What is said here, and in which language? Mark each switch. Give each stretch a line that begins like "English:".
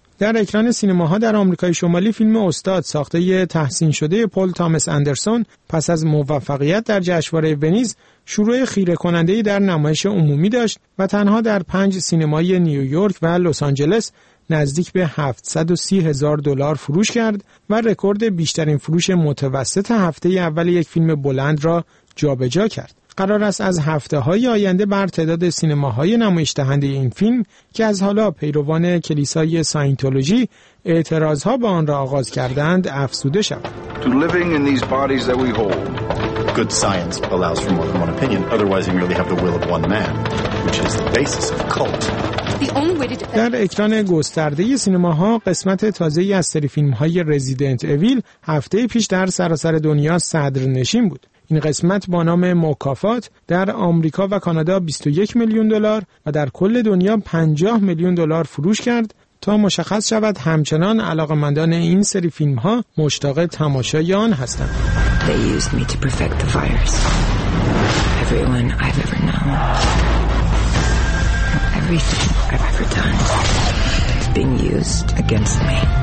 Persian: در اکران سینماها در آمریکای شمالی فیلم استاد ساخته ی تحسین شده پل تامس اندرسون پس از موفقیت در جشنواره ونیز شروع خیره کننده در نمایش عمومی داشت و تنها در 5 سینمای نیویورک و لس آنجلس نزدیک به 730 هزار دلار فروش کرد و رکورد بیشترین فروش متوسط هفته اول یک فیلم بلند را جابجا کرد. قرار است از هفته‌های آینده بر تعداد سینماهای نمایش دهنده این فیلم که از حالا پیروان کلیسای ساینتولوژی اعتراض‌ها به آن را آغاز کردند افسوده شود.
English: To living in these bodies that we hold. Good science allows for more than one opinion. Otherwise you merely have the will of one man, which is the basis of cult.
Persian: در اکران گسترده سینماها قسمت تازه‌ای از سری فیلم‌های رزیدنت اویل هفته پیش در سراسر دنیا صدرنشین بود. این قسمت با نام مکافات در آمریکا و کانادا 21 میلیون دلار و در کل دنیا 50 میلیون دلار فروش کرد تا مشخص شود همچنان علاقه‌مندان این سری فیلم‌ها مشتاق تماشای آن هستند.
English: They used me to perfect the virus. Everyone I've ever known. Everything I've ever done has been used against me.